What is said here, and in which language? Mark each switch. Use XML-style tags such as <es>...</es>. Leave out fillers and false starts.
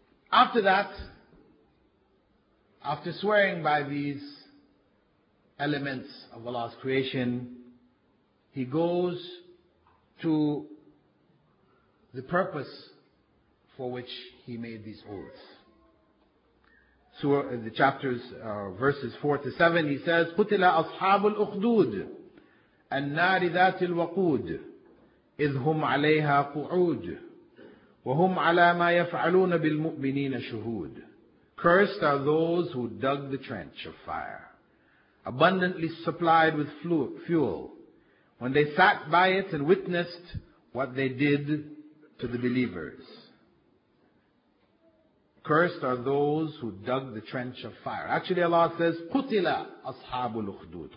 <en>After that, after swearing by these elements of Allah's creation, he goes to the purpose for which he made these oaths. So the chapters, verses 4-7, he says,</en> <ar>قُتِلَ أَصْحَابُ الْأُخْدُودِ النَّارِ ذَاتِ الْوَقُودِ إذ هم عليها قعود وهم على ما يفعلون بالمؤمنين شهود.</ar> <en>Cursed are those who dug the trench of fire, abundantly supplied with fuel, when they sat by it and witnessed what they did to the believers. Cursed are those who dug the trench of fire. Actually, Allah says,</en> <ar>قُتِلَ أَصْحَابُ الْأُخْدُودِ.</ar>